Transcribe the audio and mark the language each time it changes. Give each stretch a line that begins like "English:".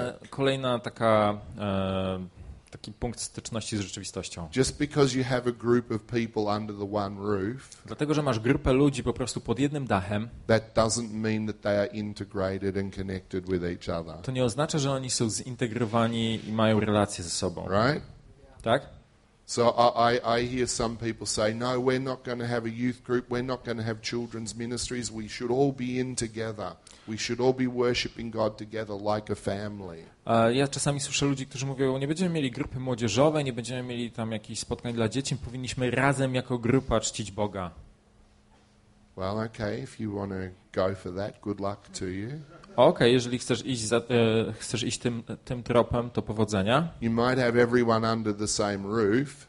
Polish: Kolejna taka taki punkt styczności z rzeczywistością.
English: Just because you have a group of people under the one roof.
Polish: Dlatego, że masz grupę ludzi po prostu pod jednym dachem.
English: That doesn't mean that they are integrated and connected with each other.
Polish: To nie oznacza, że oni są zintegrowani i mają relacje ze sobą.
English: Right?
Polish: Tak?
English: So I hear some people say, no, we're not going to have a youth group, we're not going to have children's ministries, we should all be in together. We should all be worshiping God together like a family.
Polish: Ja czasami słyszę ludzi, którzy mówią, nie będziemy mieli grupy młodzieżowej, nie będziemy mieli tam jakichś spotkań dla dzieci, powinniśmy razem jako grupa czcić Boga.
English: Well, okay, if you want to go for that, good luck to you.
Polish: Okej, jeżeli chcesz iść za, chcesz iść tym tropem, to powodzenia.
English: You might have everyone under the same roof.